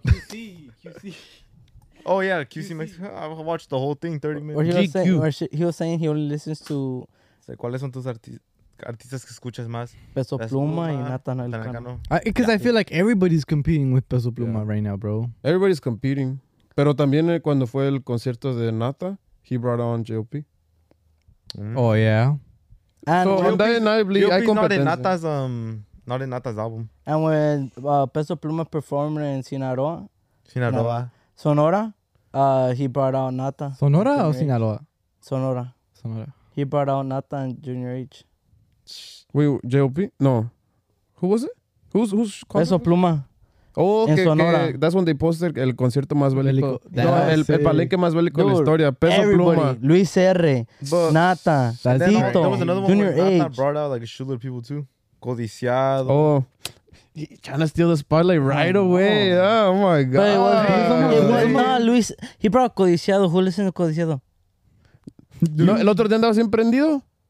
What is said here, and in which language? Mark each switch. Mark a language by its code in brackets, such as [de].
[en] QC. Oh, yeah, QC Mexico. I watched the whole thing, 30 minutes. He was saying he only listens to... [es] ¿Cuáles son tus artistas? Artistas que escuchas más. Peso Pluma y Nathan Elcano. [en] Because I feel like everybody's competing with Peso Pluma right now, bro. Everybody's competing. [es] Pero también cuando fue el concierto de Nata, [en] he brought on JOP. Oh, yeah. And so, JOP's not in Nata's album. And when Peso Pluma performed in Sinaloa. Sinaloa. Sonora. He brought out Nata. [es] Sonora o Sinaloa? [en] Sonora. Sonora. He brought out Nata in Junior H. Wait, JOP? No. Who was it? Who's Peso Pluma. Oh, okay. That's when they posted [es] el concierto más bélico. No, el palenque más bélico de la historia. [en] Peso Pluma. Luis R. But, Nata. Saldito. There was another Junior where Nata brought out like a shitload of people too. Codiciado. Oh. Trying to steal the spotlight right away. Oh, my God. But it was not Luis. He brought Codiciado. Who listened to Codiciado? [es] No, el otro día andaba siempre prendido.